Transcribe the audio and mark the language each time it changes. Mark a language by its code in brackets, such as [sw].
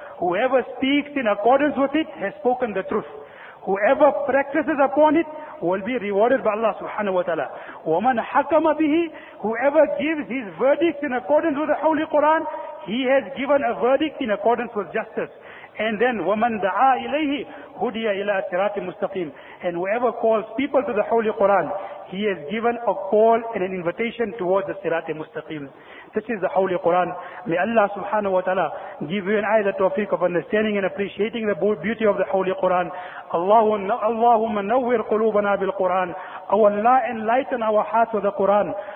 [en] Whoever speaks in accordance with it has spoken the truth. Whoever practices upon it will be rewarded by Allah subhanahu wa ta'ala. [ar] وَمَنْ حَكَمَ بِهِ. [en] Whoever gives his verdict in accordance with the Holy Quran, he has given a verdict in accordance with justice. And then [ar] وَمَنْ دَعَى إِلَيْهِ هُدِيَ إِلَىٰ صِرَاطٍ مُسْتَقِيمٍ. [en] And whoever calls people to the Holy Quran, he has given a call and an invitation towards the Sirati Mustaqim. This is the Holy Quran. May Allah subhanahu wa ta'ala give you and I the tawfiq of understanding and appreciating the beauty of the Holy Quran. [ar] Allahumma nawwir qulubana bil Quran. [en] Oh Allah, enlighten our hearts with the Quran.